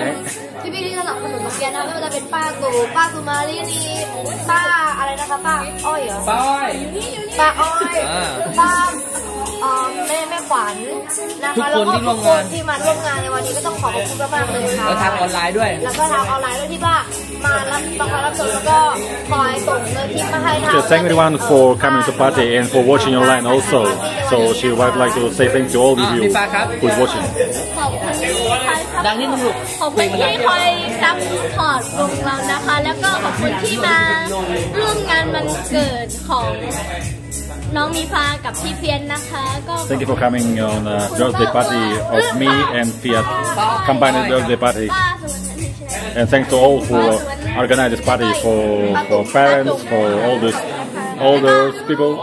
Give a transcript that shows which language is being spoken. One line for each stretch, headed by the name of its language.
Thai: ณที่พี่ที่สนับสนุนเกียร์นะไม่ว่าจะเป็นป้าตู่ป้าสุมาลีนีป้าอะไรนะคะป้าอ้อย ป้าอ้อย ป้าอ้อยป้าแม่ขวัญนะคะแล้วก็ ทุ กคนที่มาร่วมงานในวันนี้ก็ต้องขอบคุณมากๆเลยค่ะ แล้วทางออนไลน์ด้วย แล้วก็ทางออนไลน์ด้วยที่ว่ามาแล้วมาขอรับส่วนแล้วก็คอยส่งเงินที่มาให้ค่ะ
English: Thank everyone for coming to party and for watching online also so she would like to say thank you all of you who's watching
Thai: ขอบคุณค่ะ ดังนี้นุ่ม ขอบคุณที่คอยซัพพอร์ตวงเรานะคะแล้วก็ขอบคุณที่มาร่วมงานวันเกิดของน้องมีฟ้ากับพี่เพียนนะคะก็
English: Thank you for coming on the birthday party of me and Fiat combined birthday party and thanks to all who organized this party for parents for all the those people